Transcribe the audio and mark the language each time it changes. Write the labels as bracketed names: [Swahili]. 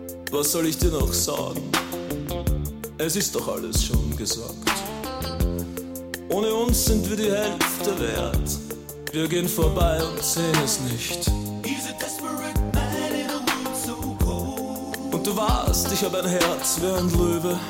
[German] Was soll ich dir noch sagen? Es ist doch alles schon gesagt. Ohne uns sind wir die Hälfte wert. Wir gehen vorbei und sehen es nicht. [English] He's a desperate man in a world so cold. [German] Und du weißt, ich hab ein Herz wie ein Löwe.